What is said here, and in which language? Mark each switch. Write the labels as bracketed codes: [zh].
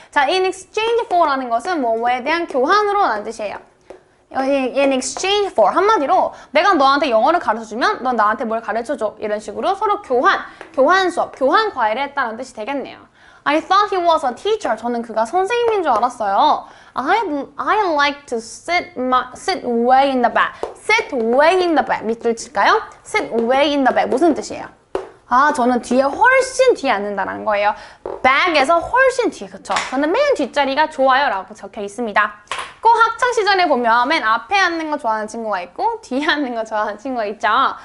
[ko] 자, in exchange for라는 것은 뭐뭐에 대한 교환으로라는 뜻이에요. In exchange for, 한마디로 내가 너한테 영어를 가르쳐주면 넌 나한테 뭘 가르쳐줘, 이런 식으로 서로 교환, 교환 수업, 교환 과외를 했다는 뜻이 되겠네요. [en] I thought he was a teacher. [ko] 저는 그가 선생님인 줄 알았어요. [en] I like to sit way in the back. Sit way in the back. [ko] 밑줄 칠까요? [en] Sit way in the back. [ko] 무슨 뜻이에요? 아, 저는 뒤에 훨씬 뒤에 앉는다는 거예요. Back에서 훨씬 뒤에, 그쵸? 저는 맨 뒷자리가 좋아요 라고 적혀 있습니다. 꼭 학창시절에 보면 맨 앞에 앉는 거 좋아하는 친구가 있고 뒤에 앉는 거 좋아하는 친구가 있죠.